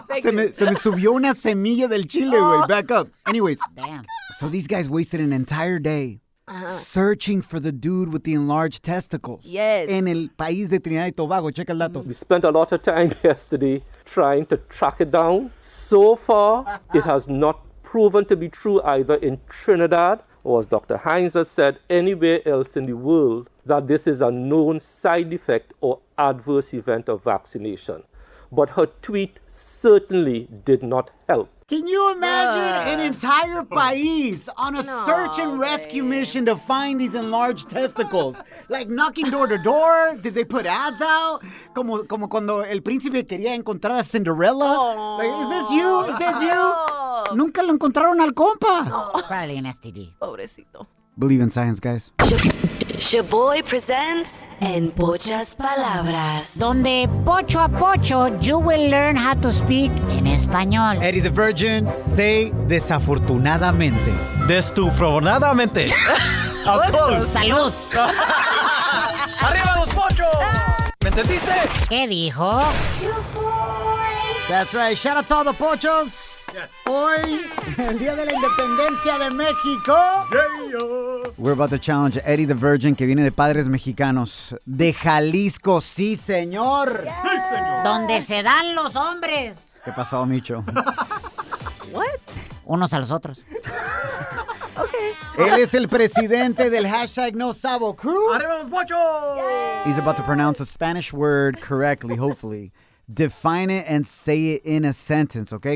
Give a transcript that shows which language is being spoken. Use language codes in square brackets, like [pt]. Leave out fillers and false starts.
[es] Wait, se me subió una semilla del chile, güey. [en] Back up. Anyways. Damn. So these guys wasted an entire day searching for the dude with the enlarged testicles. Yes. [es] En el país de Trinidad y Tobago. Check el dato. [en] We spent a lot of time yesterday trying to track it down. So far, it has not proven to be true either in Trinidad or, as Dr. Hines has said, anywhere else in the world, that this is a known side effect or adverse event of vaccination. But her tweet certainly did not help. Can you imagine an entire país on a search and rescue mission to find these enlarged testicles? Like knocking door to door? Did they put ads out? [es] Como cuando el príncipe quería encontrar a Cinderella? [en] Like, is this you? Is this you? [es] Nunca lo encontraron al compa. [en] Probably an STD. [es] Pobrecito. [en] Believe in science, guys. Shaboy presents En Pochas Palabras. [es] Donde pocho a pocho, [en] you will learn how to speak in español. Eddie the Virgin, say desafortunadamente. Destufronadamente. [es] A sol. Salud. Arriba los pochos. ¿Me entendiste? ¿Qué dijo? [en] That's right. Shout out to all the pochos. Yes. [es] Hoy, el Día de la Independencia de México. [en] Yeah. We're about to challenge Eddie the Virgin, [es] que viene de padres mexicanos. De Jalisco, sí, señor. [en] Yeah. [es] Sí, señor. Donde se dan los hombres. ¿Qué pasó, Micho? [en] What? [es] Unos a los otros. [en] Okay. [es] Él es el presidente del hashtag No Sabo Crew. ¡Arriba los pochos! [en] He's about to pronounce a Spanish word correctly, hopefully. Define it and say it in a sentence, okay?